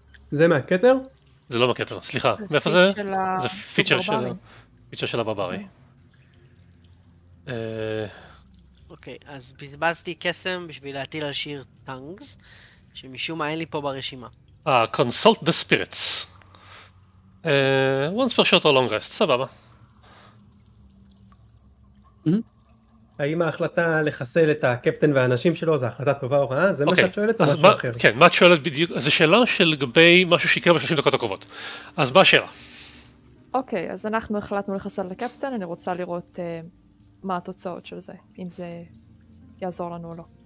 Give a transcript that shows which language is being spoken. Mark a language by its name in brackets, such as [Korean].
[Hebrew] זה מהכתר? זה לא מהכתר, סליחה. מאיפה זה? זה פיצ'ר של הברברי. פיצ'ר של הברברי. אוקיי, אז בזבזתי קסם בשביל להטיל על שיר טנגס שמשום מה אין לי פה ברשימה. [English] Consult the spirits. Once per short or long rest, [Hebrew] סבבה. האם ההחלטה לחסל את הקפטן והאנשים שלו זה החלטה טובה או רעה? זה מה שאת שואלת או משהו אחר? כן, מה את שואלת בדיוק? זו שאלה שלגבי משהו שיקרה ב-30 דקות הקרובות. אז מה השאלה? אוקיי, אז אנחנו החלטנו לחסל את הקפטן, אני רוצה לראות מה התוצאות של זה, אם זה יעזור לנו או לא.